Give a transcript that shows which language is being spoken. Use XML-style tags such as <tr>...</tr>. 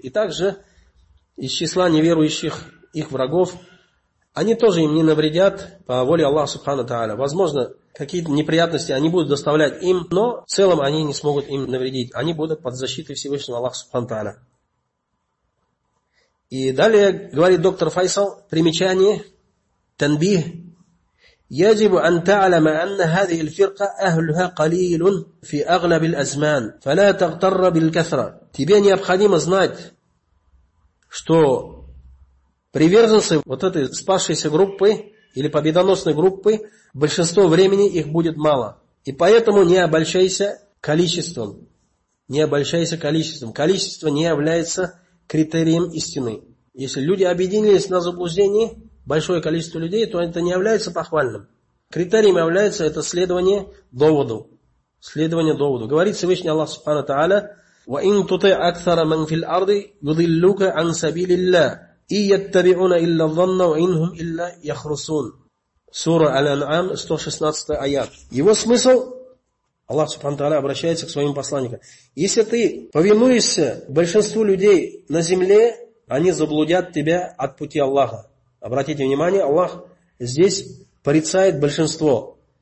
<ru>И также из числа неверующих их врагов, они тоже им не навредят по воле Аллаха Субхана Тааля. Возможно, какие-то неприятности они будут доставлять им, но в целом они не смогут им навредить. Они будут под защитой Всевышнего Аллаха Субхана Тааля. И далее говорит доктор Файсал, примечание, танби.</ru> <ar>يجب أن تعلم أن هذه الفرقة أهلها قليل في أغلب الأزمان فلا تغتر بالكثرة.</ar> <ru>Тебе необходимо знать, что приверженцы вот этой спасшейся группы или победоносной группы большинство времени их будет мало. И поэтому не обольщайся количеством. Не обольщайся количеством. Количество не является критерием истины. Если люди объединились на заблуждении, большое количество людей, то это не является похвальным. Критерием является это следование доводу. Следование доводу. Говорит Всевышний Аллах Субхана Та'аля,</ru> <ar>وَإِنْ تُطِعْ أَكْثَرَ مَنْ فِي الْأَرْضِ يُضِلُّكَ عَنْ سَبِيلِ اللَّهِ إِنْ يَتَّبِعُونَ إِلَّا الظَّنَّ وَإِنْهُمْ إِلَّا يَخْرُصُونَ.</ar> <ru>Сура Аль-Ан'ам, 116 аят. Его смысл, Аллах Субхана Та'аля обращается к своим посланникам. Если ты повинуешься большинству людей на земле, они заблудят тебя от пути Аллаха. Обратите внимание, Аллах здесь порицает большинство.</ru>